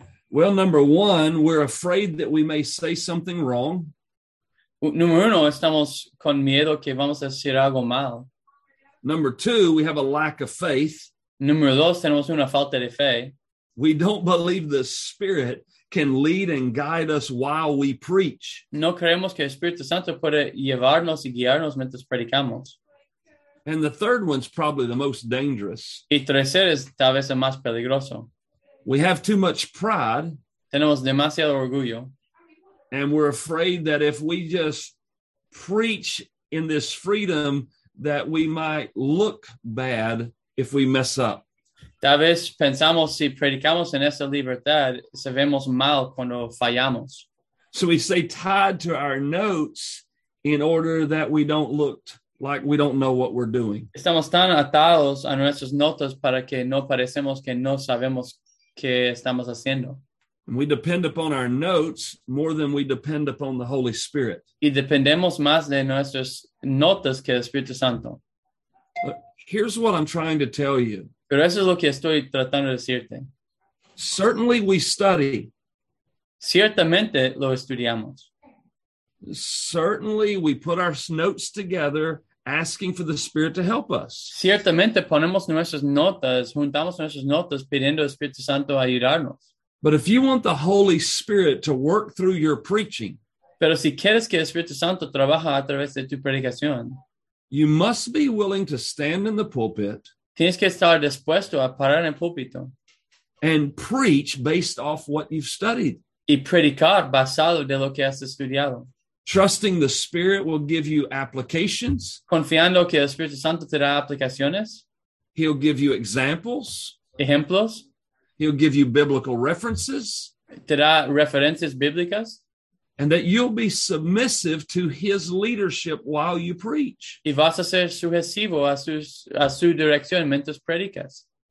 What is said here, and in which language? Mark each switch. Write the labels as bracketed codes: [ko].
[en] Well, number one, we're afraid that we may say something wrong. [es] Número uno, estamos con miedo que vamos a decir algo mal. [en] Number two, we have a lack of faith. [es] Número dos, tenemos una falta de fe. [en] We don't believe the Spirit can lead and guide us while we preach. [es] No creemos que el Espíritu Santo puede llevarnos y guiarnos mientras predicamos. [en] And the third one's probably the most dangerous. [es] Y tercero es tal vez el más peligroso. [en] We have too much pride. [es] Tenemos demasiado orgullo. [en] And we're afraid that if we just preach in this freedom, that we might look bad if we mess up. [es] Tal vez pensamos si predicamos en esa libertad, se vemos mal cuando fallamos. [en] So we stay tied to our notes in order that we don't look like we don't know what we're doing. [es] Estamos tan atados a nuestras notas para que no parecemos que no sabemos qué estamos haciendo. [en] We depend upon our notes more than we depend upon the Holy Spirit. [es] Y dependemos más de nuestras notas que el Espíritu Santo. [en] But here's what I'm trying to tell you. [es] Pero eso es lo que estoy tratando de decirte. [en] Certainly we study. [es] Ciertamente lo estudiamos. [en] Certainly we put our notes together asking for the Spirit to help us. [es] Ciertamente ponemos nuestras notas, juntamos nuestras notas pidiendo al Espíritu Santo ayudarnos. [en] But if you want the Holy Spirit to work through your preaching, [es] pero si quieres que el Espíritu Santo trabaje a través de tu predicación, [en] you must be willing to stand in the pulpit. [es] Tienes que estar dispuesto a parar en el púlpito. [en] And preach based off what you've studied. [es] Y predicar basado de lo que has estudiado. [en] Trusting the Spirit will give you applications. [es] Confiando que el Espíritu Santo te da aplicaciones. [en] He'll give you examples. [es] Ejemplos. [en] He'll give you biblical references. [es] Te da referencias bíblicas. [en] And that you'll be submissive to his leadership while you preach. [es] Y vas a ser sujecivo a su dirección mientras predicas.